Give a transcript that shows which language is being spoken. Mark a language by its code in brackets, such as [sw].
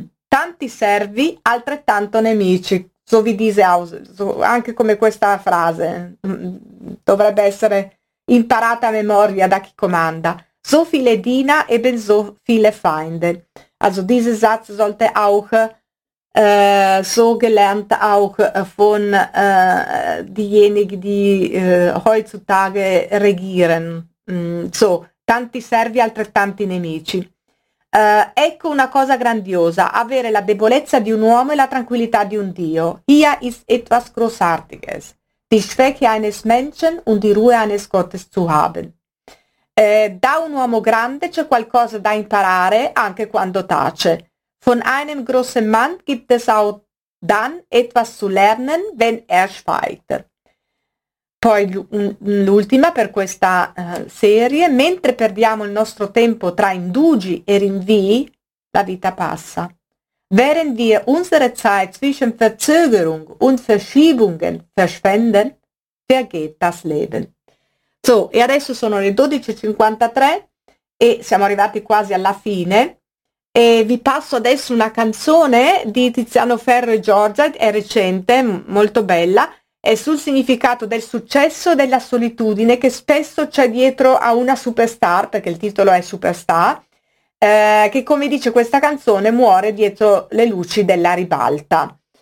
[it] Tanti servi, altrettanto nemici, [de] so wie diese Aussage, [it] anche come questa frase, dovrebbe essere imparata a memoria da chi comanda. [de] So viele Diener, ebenso viele Feinde. Also dieser Satz sollte auch so gelernt auch von diejenigen, die heutzutage regieren. [it] So, tanti servi, altrettanti nemici. Ecco una cosa grandiosa, avere la debolezza di un uomo e la tranquillità di un dio. [de] Hier ist etwas Großartiges. Die Schwäche eines Menschen und die Ruhe eines Gottes zu haben. [it] Da un uomo grande c'è qualcosa da imparare anche quando tace. [de] Von einem großen Mann gibt es auch dann etwas zu lernen, wenn schweigt. [it] Poi l'ultima per questa serie. Mentre perdiamo il nostro tempo tra indugi e rinvii, la vita passa. [de] Während wir unsere Zeit zwischen Verzögerung und Verschiebungen verschwenden, vergeht das Leben. [it] So, e adesso sono le 12:53 e siamo arrivati quasi alla fine. E vi passo adesso una canzone di Tiziano Ferro e Giorgia, è recente, molto bella, è sul significato del successo e della solitudine che spesso c'è dietro a una superstar, perché il titolo è Superstar, che come dice questa canzone muore dietro le luci della ribalta.